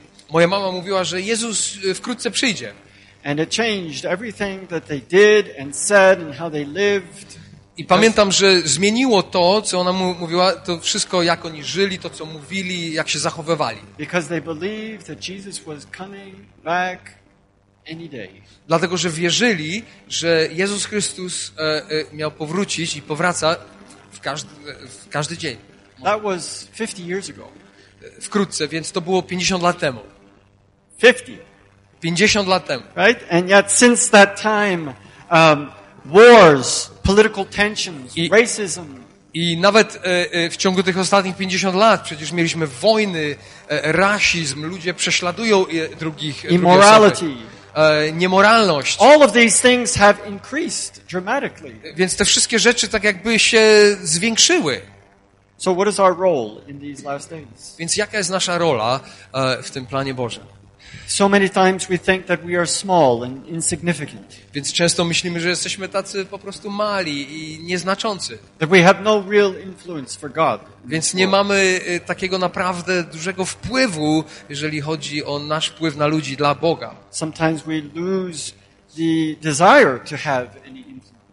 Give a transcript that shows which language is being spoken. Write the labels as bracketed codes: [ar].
[pl] Moja mama mówiła, że Jezus wkrótce przyjdzie. [en] And it changed everything that they did and said and how they lived. [pl] I pamiętam, że zmieniło to, co ona mówiła, to wszystko, jak oni żyli, to co mówili, jak się zachowywali. [en] Because they believed that Jesus was coming back any day. [pl] Dlatego, że wierzyli, że Jezus Chrystus miał powrócić i powraca w każdy dzień. [en] That was 50 years ago. [pl] Wkrótce, więc to było 50 lat temu. 50 lat temu. [en] Right? And yet since that time wars, political tensions, racism. [pl] I nawet w ciągu tych ostatnich 50 lat przecież mieliśmy wojny, rasizm, ludzie prześladują drugich. [en] Immorality. [pl] Niemoralność. [en] All of these things have increased dramatically. [pl] Więc te wszystkie rzeczy tak jakby się zwiększyły. [en] So what is our role in these last days? [pl] Więc jaka jest nasza rola w tym planie Bożym? [en] So many times we think that we are small and insignificant. [pl] Więc często myślimy, że jesteśmy tacy po prostu mali i nieznaczący. [en] That we have no real influence for God. [pl] Więc nie mamy takiego naprawdę dużego wpływu, jeżeli chodzi o nasz wpływ na ludzi dla Boga. [en] Sometimes we lose the desire to have any influence.